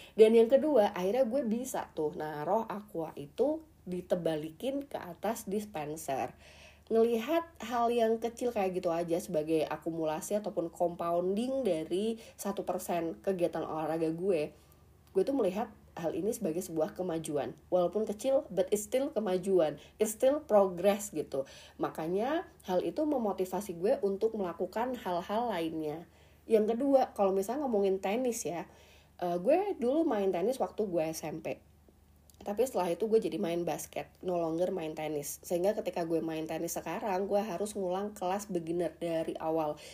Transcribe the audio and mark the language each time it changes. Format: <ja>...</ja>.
<id>Dan yang kedua, akhirnya gue bisa tuh naruh aqua itu ditebalikin ke atas dispenser. Ngelihat hal yang kecil kayak gitu aja sebagai akumulasi ataupun</id> <en>compounding</en> <id>dari 1% kegiatan olahraga gue, gue tuh melihat hal ini sebagai sebuah kemajuan. Walaupun kecil,</id> <en>but it's still</en> <id>kemajuan.</id> <en>It's still progress</en> <id>gitu. Makanya hal itu memotivasi gue untuk melakukan hal-hal lainnya. Yang kedua, kalau misalnya ngomongin tenis ya, gue dulu main tenis waktu gue SMP. Tapi setelah itu gue jadi main basket,</id> <en>no longer</en> <id>main tenis. Sehingga ketika gue main tenis sekarang, gue harus ngulang kelas</id> <en>beginner</en> <id>dari awal.</id>